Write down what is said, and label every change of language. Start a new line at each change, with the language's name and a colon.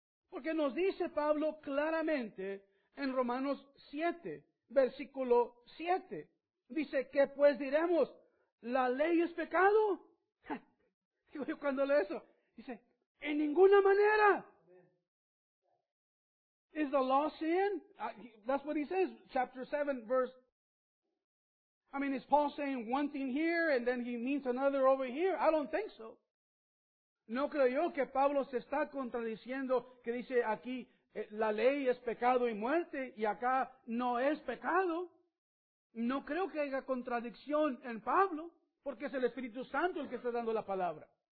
Spanish: Porque nos dice Pablo claramente en Romanos 7, versículo 7. Dice, que pues diremos, ¿la ley es pecado? Digo yo cuando leo eso, dice, en ninguna manera.
English: Is the law sin? That's what he says, chapter 7, verse. I mean, is Paul saying one thing here and then he means another over here? I don't think so.
Spanish: No creo yo que Pablo se está contradiciendo que dice aquí, la ley es pecado y muerte, y acá no es pecado. No creo que haya contradicción en Pablo, porque es el Espíritu Santo el que está dando la palabra.